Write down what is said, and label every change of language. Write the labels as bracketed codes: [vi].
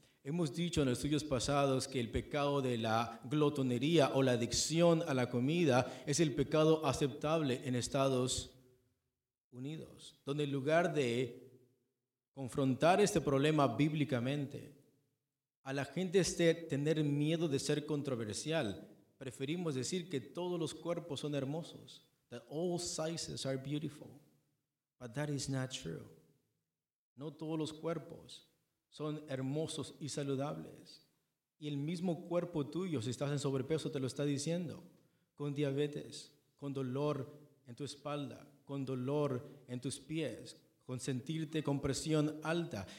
[es] Hemos dicho en estudios pasados que el pecado de la glotonería o la adicción a la comida es el pecado aceptable en Estados Unidos, donde en lugar de confrontar este problema bíblicamente, a la gente esté tener miedo de ser controversial, preferimos decir que todos los cuerpos son hermosos. [en] That all sizes are beautiful. But that is not true. [es] No todos los cuerpos son hermosos y saludables. Y el mismo cuerpo tuyo, si estás en sobrepeso, te lo está diciendo. Con diabetes, con dolor en tu espalda, con dolor en tus pies, con sentirte con presión alta.